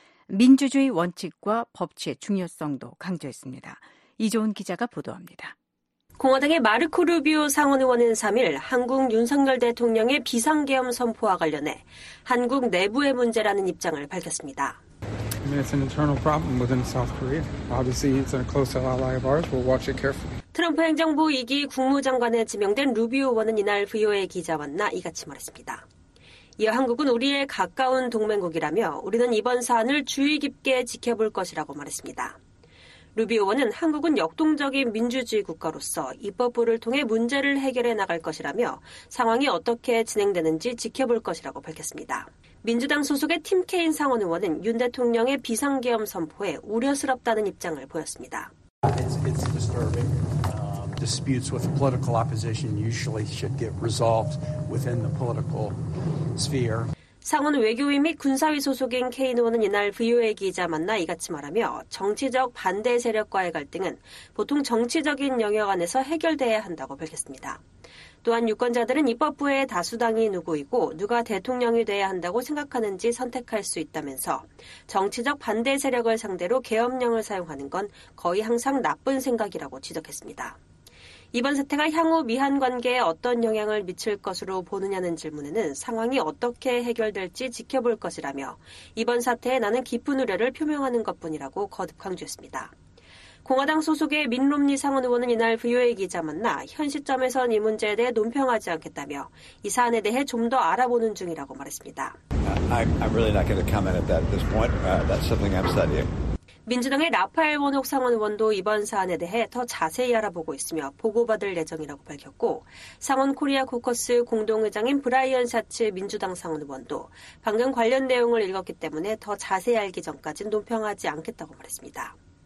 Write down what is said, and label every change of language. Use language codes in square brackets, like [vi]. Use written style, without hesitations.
[ko] 민주주의 원칙과 법치의 중요성도 강조했습니다. 이조은 기자가 보도합니다. 공화당의 마르코 루비오 상원의원은 3일 한국 윤석열 대통령의 비상계엄 선포와 관련해 한국 내부의 문제라는 입장을 밝혔습니다. [en] I mean, it's an internal problem within South Korea. Obviously, it's a close ally of ours. We'll watch it carefully. [ko] 트럼프 행정부 2기 국무장관에 지명된 루비오 의원은 이날 VOA 기자와 만나 이같이 말했습니다. 이어 한국은 우리의 가까운 동맹국이라며 우리는 이번 사안을 주의 깊게 지켜볼 것이라고 말했습니다. 루비오 의원은 한국은 역동적인 민주주의 국가로서 입법부를 통해 문제를 해결해 나갈 것이라며 상황이 어떻게 진행되는지 지켜볼 것이라고 밝혔습니다. 민주당 소속의 팀 케인 상원 의원은 윤 대통령의 비상계엄 선포에 우려스럽다는 입장을 보였습니다. [en] It's disturbing. Disputes with political opposition usually should get resolved within the political sphere. [ko] 상원 외교위 및 군사위 소속인 케인 의원은 이날 VOA 기자 만나 이같이 말하며 정치적 반대 세력과의 갈등은 보통 정치적인 영역 안에서 해결돼야 한다고 밝혔습니다. 또한 유권자들은 입법부의 다수당이 누구이고 누가 대통령이 돼야 한다고 생각하는지 선택할 수 있다면서 정치적 반대 세력을 상대로 계엄령을 사용하는 건 거의 항상 나쁜 생각이라고 지적했습니다. 이번 사태가 향후 미한 관계에 어떤 영향을 미칠 것으로 보느냐는 질문에는 상황이 어떻게 해결될지 지켜볼 것이라며 이번 사태에 나는 깊은 우려를 표명하는 것뿐이라고 거듭 강조했습니다. 공화당 소속의 민 롬니 상원 의원은 이날 VOA 기자 만나 현 시점에선 이 문제에 대해 논평하지 않겠다며 이 사안에 대해 좀 더 알아보는 중이라고 말했습니다. [en] I'm really not going to comment on that at this point. That's something I'm studying. [ko] 민주당의 라파엘 원옥 상원 의원도 이번 사안에 대해 더 자세히 알아보고 있으며 보고받을 예정이라고 밝혔고 상원 코리아 코커스 공동의장인 브라이언 샤츠 민주당 상원 의원도 방금 관련 내용을 읽었기 때문에 더 자세히 알기 전까지는 논평하지 않겠다고 말했습니다.